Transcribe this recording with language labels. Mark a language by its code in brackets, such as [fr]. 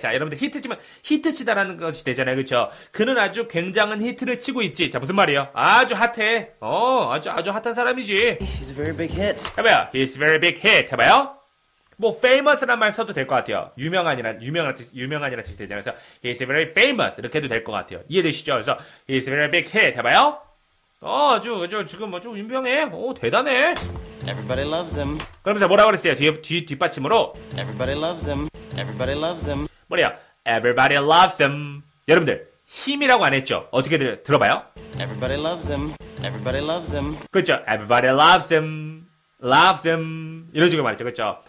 [ko] 자, 여러분들 히트지만 히트치다라는 것이 되잖아요. 그렇죠? 그는 아주 굉장한 히트를 치고 있지. 자, 무슨 말이에요? 아주 핫해. 아주 핫한 사람이지. [en] He's a very big hit. [ko] 해봐요. [en] He's a very big hit. 해봐요. [ko] 뭐 famous란 말 써도 될 것 같아요. 유명한이라 뜻이 되잖아요. 그래서 [en] he's very famous [ko] 이렇게 해도 될 것 같아요. 이해되시죠? [en] 그래서 he's very big hit [ko] 해봐요. 아주 지금 아주 유명해. 대단해. [en] Everybody loves him. [ko] 그러면서 뭐라고 그랬어요? 뒷받침으로 [en] Everybody loves him. Everybody loves him. [ko] 뭐래요? [en] Everybody loves him. [ko] 여러분들 힘이라고 안 했죠? 어떻게 들어봐요? [en] Everybody loves him. Everybody loves him. [ko] 그렇죠. [en] Everybody loves him. Loves him. [ko] 이런 식으로 말했죠. 그렇죠?